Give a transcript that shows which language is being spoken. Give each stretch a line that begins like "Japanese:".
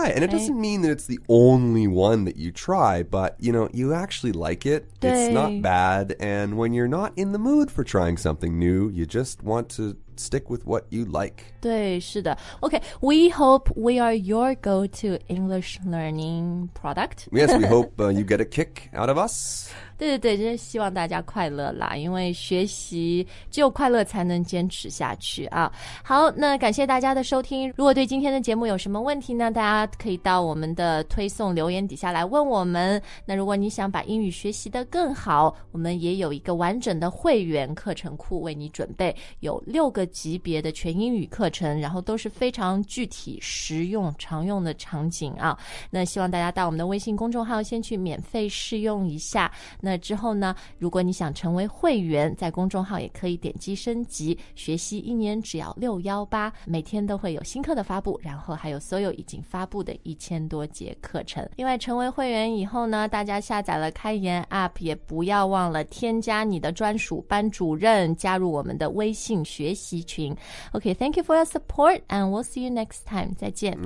English: Right, and it doesn't mean that it's the only one that you try, but you know, you actually like it. It's not bad. And when you're not in the mood for trying something new, you just want to stick with what you like.
Chinese: 对，是的。
English: Okay, we hope we are your go-to English learning product. Yes, we hope、you get a kick out of us.
Chinese: 对对对，就是希望大家快乐啦，因为学习只有快乐才能坚持下去啊。好，那感谢大家的收听。如果对今天的节目有什么问题呢，大家可以到我们的推送留言底下来问我们。那如果你想把英语学习得更好，我们也有一个完整的会员课程库为你准备，有六个级别的全英语课程，然后都是非常具体、实用、常用的场景啊。那希望大家到我们的微信公众号先去免费试用一下。那之后呢，如果你想成为会员，在公众号也可以点击升级，学习一年只要618，每天都会有新课的发布，然后还有所有已经发布的1000多节课程。另外，成为会员以后呢，大家下载了开言 App， 也不要忘了添加你的专属班主任，加入我们的微信学习。
English: Okay, thank you for your support, and we'll see you next time.
Chinese: 再见。